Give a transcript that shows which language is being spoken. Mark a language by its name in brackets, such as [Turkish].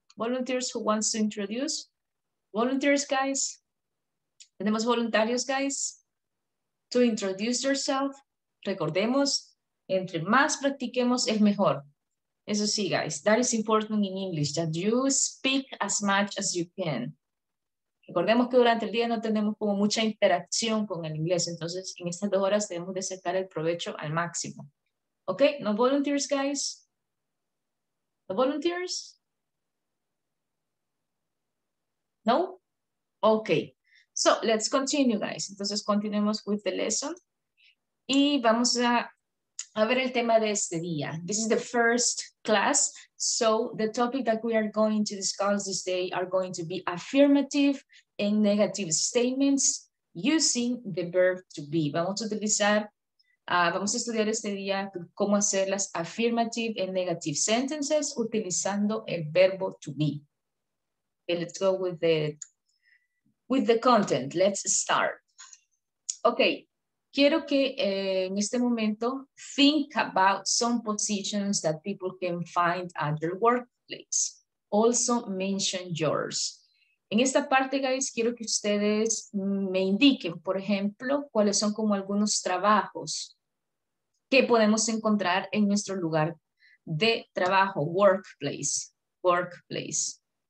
[English] Volunteers who wants to introduce? Volunteers, guys? [Spanish] Tenemos voluntarios, [English] guys? To introduce yourself. [Spanish] Recordemos, entre más practiquemos, es mejor. Eso sí, guys. [English] That is important in English, that you speak as much as you can. [Spanish] Recordemos que durante el día no tenemos como mucha interacción con el inglés. Entonces, en estas dos horas debemos de sacar el provecho al máximo. [English] ¿Ok? ¿No volunteers, guys? ¿No volunteers? ¿No? Ok. So, let's continue, guys. [Spanish] Entonces, continuemos [English] with the lesson. [Spanish] Y vamos a ver el tema de este día. [English] This is the first class. So, the topic that we are going to discuss this day are going to be affirmative and negative statements using the verb to be. [Spanish] Vamos a utilizar, vamos a estudiar este día cómo hacer las [English] affirmative and negative sentences [Spanish] utilizando el verbo to be. [English] Okay, let's go with the content. Let's start. Okay, [Spanish] quiero que en este momento [English] think about some positions that people can find at their workplace. Also mention yours. [Spanish] En esta parte, guys, quiero que ustedes me indiquen, por ejemplo, cuáles son como algunos trabajos que podemos encontrar en nuestro lugar de trabajo, workplace, workplace.